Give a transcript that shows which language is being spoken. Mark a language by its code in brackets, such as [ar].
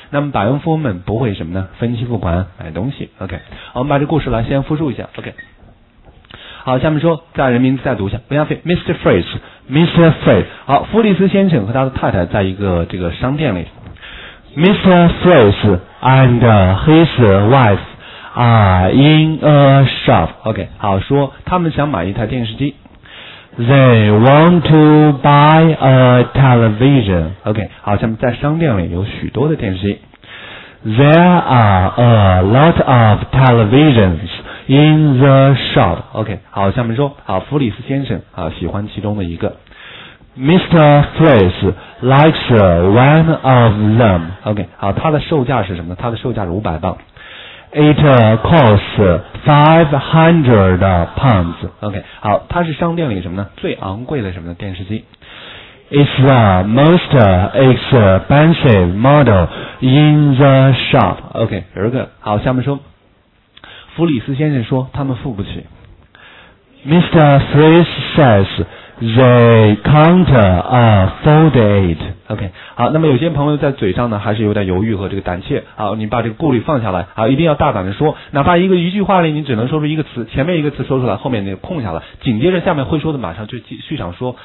[zh] 那么百万富翁们不会什么呢？分期付款买东西。Okay. 我们把这故事来先复述一下。 Okay. 好，下面说，在人名字再读一下，不要费 Mr. Fritz 好，弗里斯先生和他的太太在一个这个商店里。 [en] Mr. Fritz and his wife are in a shop. [zh] OK, 好，说他们想买一台电视机。 [en] They want to buy a television. [zh] OK, 好，下面在商店里有许多的电视机。 [en] There are a lot of televisionsIn the shop. [zh] OK, 好，下面说，好，弗里斯先生啊，喜欢其中的一个。 [en] Mr. Fritz likes one of them. [zh] OK, 好，他的售价是什么？他的售价是500磅。 [en] It costs 500 pounds. [zh] OK, 好，他是商店里什么呢？最昂贵的什么呢？电视机。 [en] It's the most expensive model in the shop. [zh] OK, 有一个，好，下面说。弗里斯先生说他们付不起。 [en] Mr. Fritz says they can't afford it. [zh] OK, 好，那么有些朋友在嘴上呢还是有点犹豫和这个胆怯，好，你把这个顾虑放下来，好，一定要大胆的说，哪怕一句话里你只能说出一个词，前面一个词说出来，后面那个空下来，紧接着下面会说的马上就续上说。